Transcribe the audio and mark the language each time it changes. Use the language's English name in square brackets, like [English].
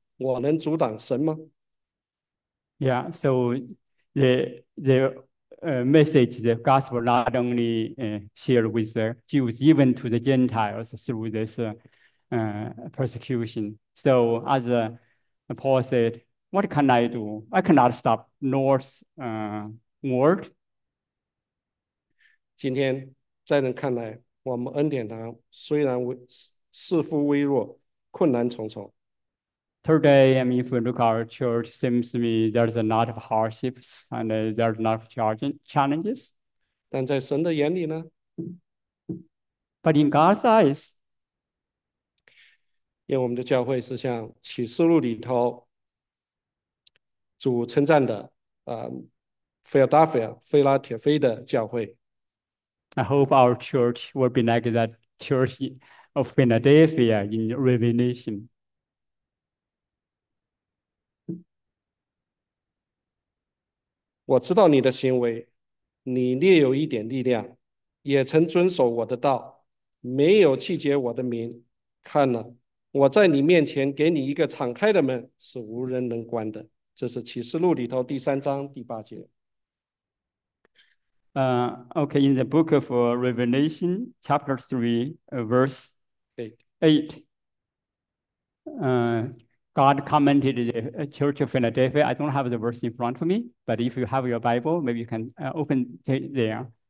[Chinese] 我能阻挡神吗？” [English] Yeah, so the message, the gospel not only shared with the Jews, even to the Gentiles through this persecution. So as Paul said, what can I do? I cannot stop North's word. [Chinese] 今天在人看来，我们恩典堂虽然似乎微弱，困难重重。 [English] Today, I mean, if we look at our church, seems to me there's a lot of hardships and there's a lot of challenges. [Chinese] 但在神的眼里呢？ [English] But in God's eyes, [Chinese] 因为我们的教会是像启示录里头主称赞的，菲拉铁菲的教会。 [English] I hope our church will be like that church of Philadelphia in Revelation. [Chinese] 我知道你的行为，你略有一点力量，也曾遵守我的道，没有弃绝我的名。看了，我在你面前给你一个敞开的门，是无人能关的。这是启示录里头第三章第八节。 [English] Okay, in the book of Revelation, chapter 3, verse 8, God commented the Church of Philadelphia. I don't have the verse in front of me, but if you have your Bible, maybe you can open it there.